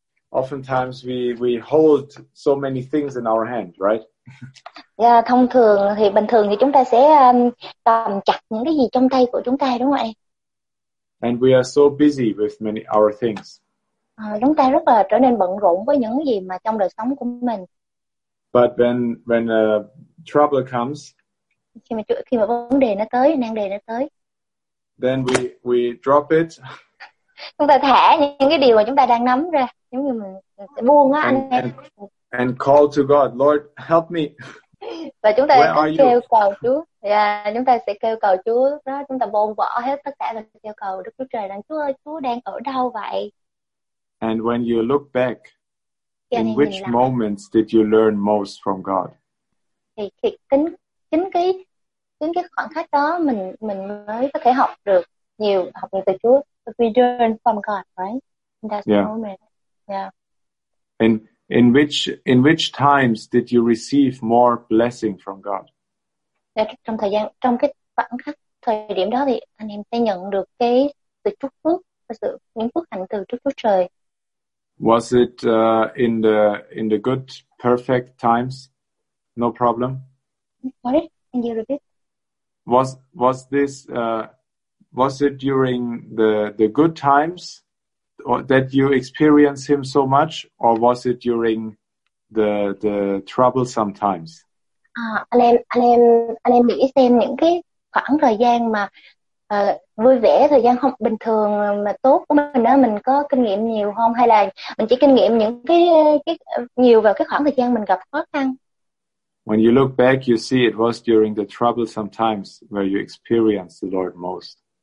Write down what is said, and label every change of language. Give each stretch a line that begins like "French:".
English: Oftentimes we hold so many things in our hand, right?
Vietnamese: Yeah, bình thường thì chúng ta sẽ cầm chặt những cái gì trong tay của chúng ta, đúng không ạ?
English: And we are so busy with many our things.
Vietnamese: Chúng ta rất là trở nên bận rộn với những gì mà trong đời sống của mình.
English: But when trouble comes,
Vietnamese: khi mà vấn đề nó tới, nan đề nó tới,
English: then we drop it.
Vietnamese: Chúng ta thả những cái điều mà chúng ta đang nắm ra, giống như mình sẽ buông á anh em.
English: And call to God, Lord, help me.
Vietnamese: Và chúng ta kêu cầu Chúa. Chúng ta sẽ kêu cầu Chúa đó, chúng ta buông bỏ hết tất cả và kêu cầu Đức Chúa Trời rằng Chúa ơi, Chúa đang ở đâu vậy?
English: And when you look back, in which moments did you learn most from God?
Vietnamese: Thì chính cái khoảng khắc đó mình mới có thể học được nhiều, học được từ Chúa.
English: We learn from God, right? In that moment. Yeah. In which times did you receive more blessing from God?
Vietnamese: Trong cái khoảng khắc thời điểm đó thì anh em sẽ nhận được cái sự chúc phước, những phước hạnh từ Đức Chúa Trời.
English: Was it in the good perfect times? No problem. Sorry, can you repeat? was this was it during the good times or that you experienced him so much, or was it during the troublesome times?
Vietnamese: Anh em nghĩ xem những cái khoảng thời gian mà vui vẻ, thời gian không bình thường mà tốt của mình đó, mình có kinh nghiệm nhiều không, hay là mình chỉ kinh nghiệm những cái nhiều vào cái khoảng thời gian mình gặp khó khăn?
English: When you look back, you see it was during the troublesome times where you experienced the Lord most.